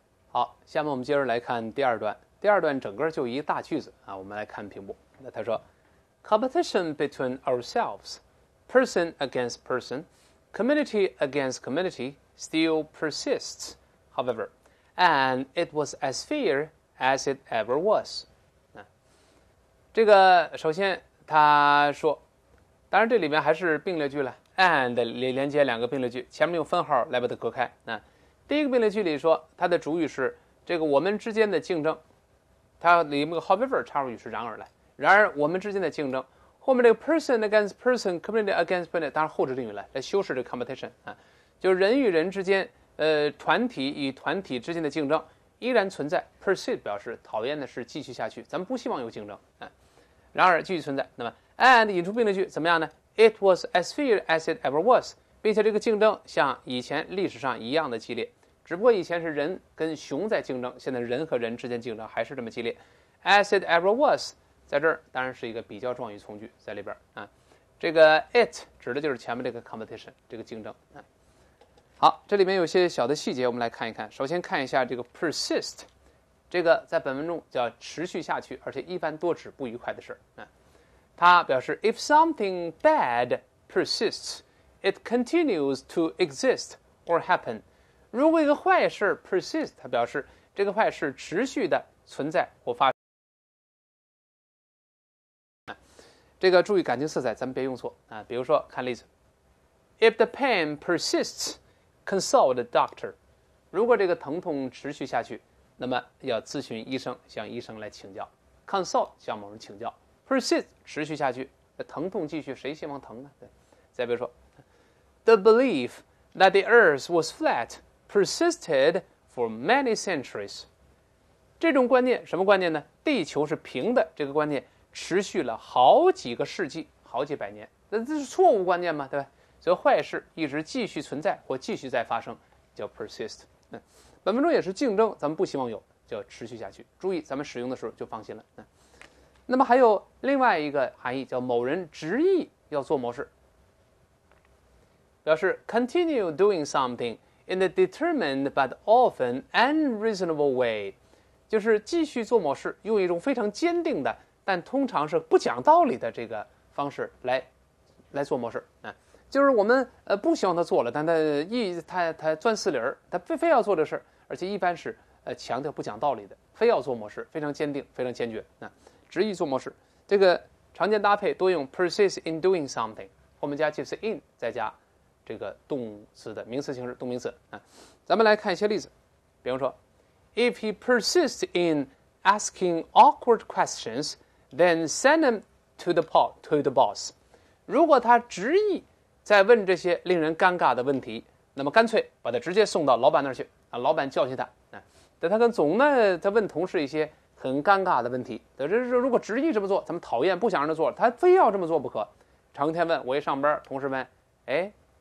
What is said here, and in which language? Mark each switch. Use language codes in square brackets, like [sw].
[zh] 好，下面我们接着来看第二段。第二段整个就一大句子啊，我们来看屏幕。那他说 [en] ，competition between ourselves, person against person, community against community still persists, however, and it was as fierce as it ever was。 [zh] 啊，这个首先他说，当然这里面还是并列句了 ，and 连接两个并列句，前面用分号来把它隔开。啊，第一个并列句里说，它的主语是这个我们之间的竞争，它里面个 however 插入语是然而来，然而我们之间的竞争，后面这个 [en] person against person, community against community, [zh] 当然后置定语来修饰这个 competition 啊，就人与人之间，团体与团体之间的竞争依然存在 ，persist 表示讨厌的是继续下去，咱们不希望有竞争啊，然而继续存在。那么 [en] and [zh] 引出并列句怎么样呢 [en] ？It was as fierce as it ever was。 [zh] 并且这个竞争像以前历史上一样的激烈，只不过以前是人跟熊在竞争，现在人和人之间竞争还是这么激烈。 [en] As it ever was， [zh] 在这儿当然是一个比较状语从句在里边啊。这个 it 指的就是前面这个 competition 这个竞争啊。好，这里面有些小的细节，我们来看一看。首先看一下这个 persist， 这个在本文中叫持续下去，而且一般多指不愉快的事啊。它表示 [en] if something bad persists。 It continues to exist or happen. [zh] 如果一个坏事 persist， 它表示这个坏事持续的存在或发生。这个注意感情色彩，咱们别用错啊。比如说，看例子 [en] ：If the pain persists, consult the doctor. [zh] 如果这个疼痛持续下去，那么要咨询医生，向医生来请教。 Consult 向某人请教 ，persist 持续下去，疼痛继续，谁希望疼呢？对，再比如说。 [en] The belief that the earth was flat persisted for many centuries. [zh] 这种观念，什么观念呢？地球是平的，这个观念持续了好几个世纪，好几百年。那这是错误观念嘛，对吧？所以坏事一直继续存在或继续在发生，叫 persist。本文中也是竞争，咱们不希望有，叫持续下去。注意，咱们使用的时候就放心了。那么还有另外一个含义，叫某人执意要做某事。表示 [en] continue doing something in a determined but often unreasonable way， [zh] 就是继续做某事，用一种非常坚定的但通常是不讲道理的这个方式来做某事啊，就是我们不希望他做了，但他钻四轮，他非要做这事，而且一般是强调不讲道理的，非要做某事，非常坚定，非常坚决啊，执意做某事。这个常见搭配多用 [en] persist in doing something， [zh] 后面加介词 in， 再加这个动词的名词形式，动名词啊，咱们来看一些例子。比方说 [en] ，If he persists in asking awkward questions, then send him to the boss。 [zh] 如果他执意在问这些令人尴尬的问题，那么干脆把他直接送到老板那儿去啊，老板教训他啊。但他跟总呢，他问同事一些很尴尬的问题，如果执意这么做，咱们讨厌不想让他做，他非要这么做不可，成天问我一上班，同事问，哎。